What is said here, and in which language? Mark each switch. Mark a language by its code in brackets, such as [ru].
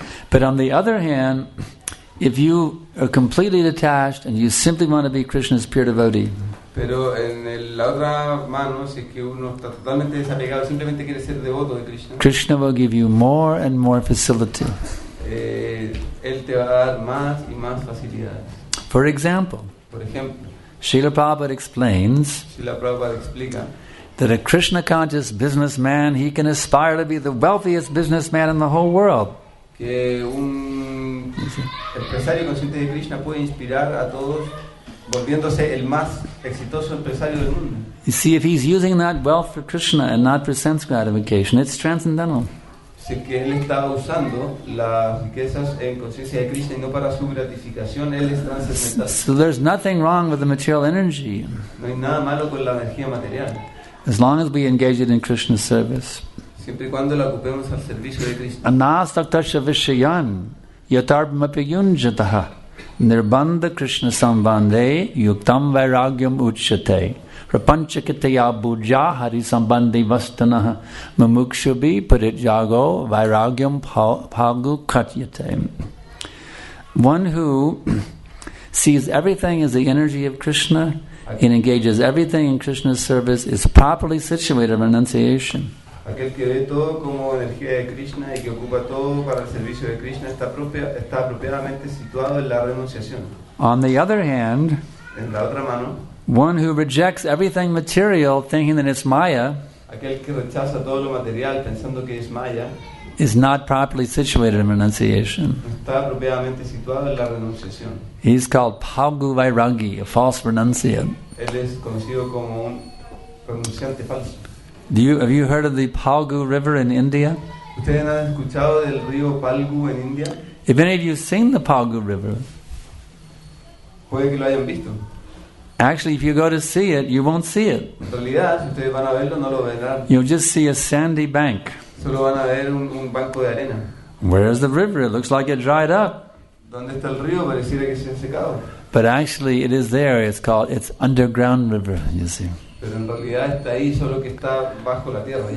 [en] But on the other hand, if you are completely detached and you simply want to be Krishna's pure devotee, [es] pero en la otra mano, si es que uno está totalmente desapegado, simplemente quiere ser devoto de Krishna. [en] Krishna will give you more and more facility. [es] Él te va a dar más y más facilidades. [en] For example. [es] Por ejemplo. [en] Srila Prabhupada explains. [es] Srila Prabhupada explica. [en] That a Krishna conscious businessman, he can aspire to be the wealthiest businessman in the whole world. [es] Que un empresario consciente de Krishna puede inspirar a todos, volviéndose el más exitoso empresario del mundo. [en] You see, if he's using that wealth for Krishna and not for sense gratification, it's transcendental. [es] Si que él está usando las riquezas en conciencia de Krishna y no para su gratificación, él es transcendental. [en] So there's nothing wrong with the material energy. [es] No hay nada malo con la energía material. [en] As long as we engage it in Krishna's service. [es] Siempre y cuando la ocupemos al servicio de Krishna. [sa] Anastaktasya vishayan yatarpamapayunjataha Nirbandha Krishna Sambande Yuktam Vairagyam Uchate Rapanchakitaya Bhuja Hari Sambandi Vastanaha Mamukshubi Purit Jago Vairagyam Phagu Katyate. [en] One who sees everything as the energy of Krishna and engages everything in Krishna's service is properly situated in renunciation. [es] Aquel que ve todo como energía de Krishna y que ocupa todo para el servicio de Krishna está apropiadamente situado en la renunciación. [en] On the other hand, [es] en la otra mano, [en] one who rejects everything material thinking that it's Maya, [es] aquel que rechaza todo lo material pensando que es Maya, [en] is not properly situated in renunciation. [es] Está apropiadamente situado en la renunciación. [en] He's called Phagu Vairagi, a false renunciate. [es] Él es conocido como un pronunciante falso. [en] Do you, have you heard of the Palgu River in India? [es] ¿Ustedes han escuchado del río Palgu en India? [en] If any of you have seen the Palgu River, [es] puede que lo hayan visto. [en] Actually, if you go to see it, you won't see it. [es] En realidad, si ustedes van a verlo, no lo verán. [en] You'll just see a sandy bank. [es] Solo van a ver un banco de arena. [en] Where is the river? It looks like it dried up. [es] ¿Dónde está el río? Pareciera que se ha secado. [en] But actually, it is there. It's called, it's underground river, you see. [es] Pero en realidad está ahí, solo que está bajo la tierra.